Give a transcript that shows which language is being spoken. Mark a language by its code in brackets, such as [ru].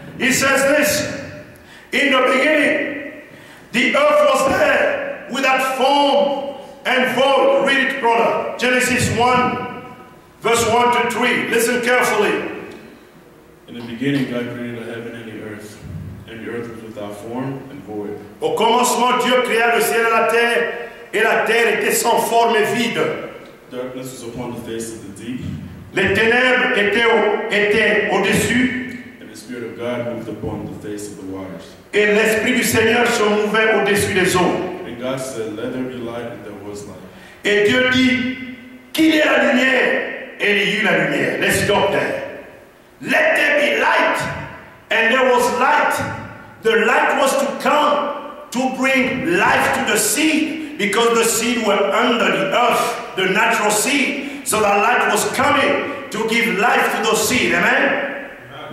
[en] He says this, in the beginning, the earth was there without form and void. Read it, brother. Genesis 1. Verse 1 to 3, listen carefully. In the beginning, God created the heaven and the earth was without form and void. [fr] Au commencement, Dieu créa le ciel et la terre était sans forme et vide. [en] Darkness was upon the face of the deep. [fr] Les ténèbres étaient au-dessus. [en] And the Spirit of God moved upon the face of the waters. [fr] Et l'Esprit du Seigneur se mouvait au-dessus des eaux. [en] And God said, let there be light, and there was light. [fr] Et Dieu dit, qu'il y ait la lumière. Et il y eut la lumière. [en] Let's stop there. Let there be light. And there was light. The light was to come to bring life to the seed. because the seed were under the earth, the natural seed. So the light was coming to give life to the seed. Amen? Amen.